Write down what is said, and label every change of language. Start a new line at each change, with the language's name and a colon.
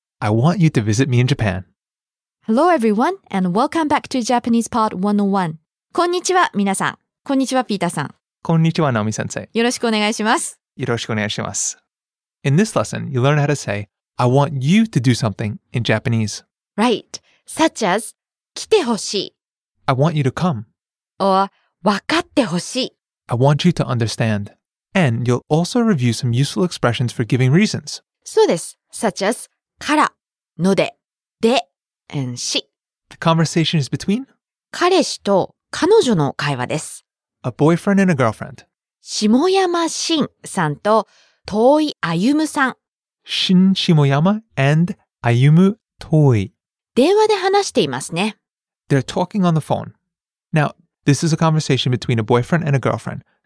English: I want you to visit me in Japan. Hello everyone and welcome back to Japanese Part 101.
Japanese: こんにちは皆さん。こんにちはピーターさん。こんにちはナオミ先生。よろしくお願いします。よろしくお願いします。
English: In this lesson, you learn how to say I want you to do something in Japanese. Right, such as
Japanese: 来てほしい。
English: I want you to come. Or
Japanese: 分かってほしい。
English: I want you to understand. And you'll also review some useful expressions for giving reasons.
Japanese: そうです。
English: Such as から、ので、で、and し。 The conversation is between?
Japanese: 彼氏と彼女の会話です。
English: A boyfriend and a girlfriend.
Japanese: 下山慎さんと遠い歩さん。新下山 and 歩遠い。電話で話していますね。
English: They're talking on the phone. Now, this is a conversation between a boyfriend and a girlfriend.